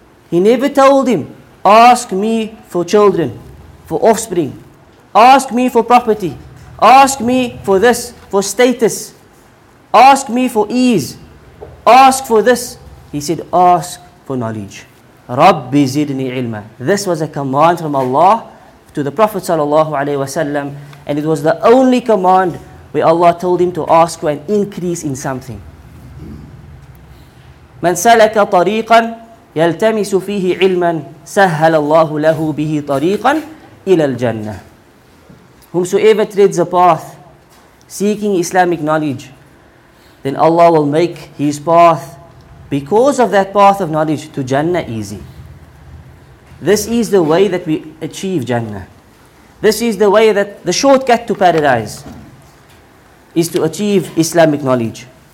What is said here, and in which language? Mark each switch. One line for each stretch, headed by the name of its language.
English: He never told him, ask me for children, for offspring, ask me for property, ask me for this, for status, ask me for ease, ask for this. He said, ask for knowledge.
Arabic: Rabbi zidni ilma.
English: This was a command from Allah to the Prophet sallallahu alayhi wa sallam, and it was the only command where Allah told him to ask for an increase in something.
Arabic: من سلك طريقا يلتمس فيه علما سهل الله له به طريقا إلى الجنة.
English: Whomsoever treads a path seeking Islamic knowledge, then Allah will make his path, because of that path of knowledge, to Jannah easy. This is the way that we achieve Jannah. This is the way that the shortcut to paradise is to achieve Islamic knowledge.